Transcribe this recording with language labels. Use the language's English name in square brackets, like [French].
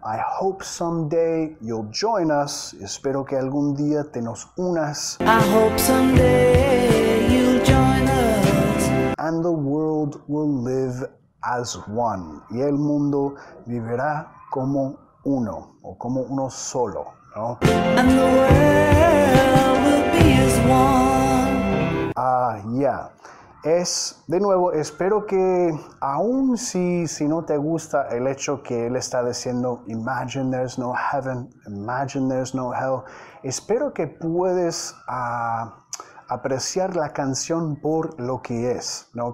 [English] I hope someday you'll join us. [Spanish] Espero que algún día te nos unas. [English] I hope someday you'll join us. And the world will live as one. [Spanish] Y el mundo vivirá como uno. O como uno solo. ¿No? [English] And the world will be as one. Ah, yeah. [Spanish] Es, de nuevo, espero que aún si no te gusta el hecho que él está diciendo [English] imagine there's no heaven, imagine there's no hell, [Spanish] espero que puedes apreciar la canción por lo que es, ¿no?